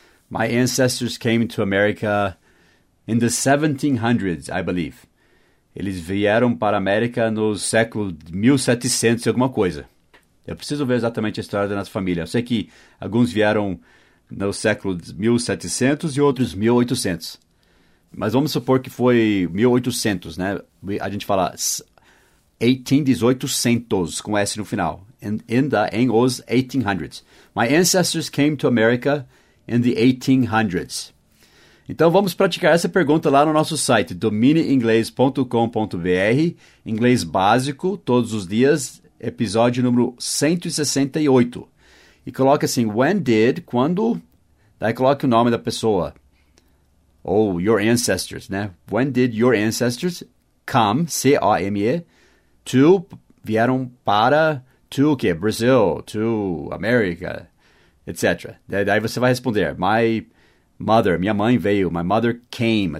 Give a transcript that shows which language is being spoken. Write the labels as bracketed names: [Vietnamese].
[English] My ancestors came to America in the 1700s, I believe. [Portuguese] Eles vieram para a América no século 1700 e alguma coisa. Eu preciso ver exatamente a história da nossa família. Eu sei que alguns vieram no século 1700 e outros 1800. Mas vamos supor que foi 1800, né? A gente fala 1800 com S no final. [English] In os 1800s. My ancestors came to America in the 1800s. [Portuguese] Então, vamos praticar essa pergunta lá no nosso site, dominiinglês.com.br, inglês básico, todos os dias, episódio número 168. E coloque assim, [English] when did, [Portuguese] quando, daí coloque o nome da pessoa, ou [English] your ancestors, [Portuguese] né? [English] When did your ancestors come, C-O-M-E, to, [Portuguese] vieram para, [English] to [Portuguese] o quê? [English] Brazil, to America, etc. [Portuguese] Daí você vai responder, [English] my mother, [Portuguese] minha mãe veio, [English] my mother came.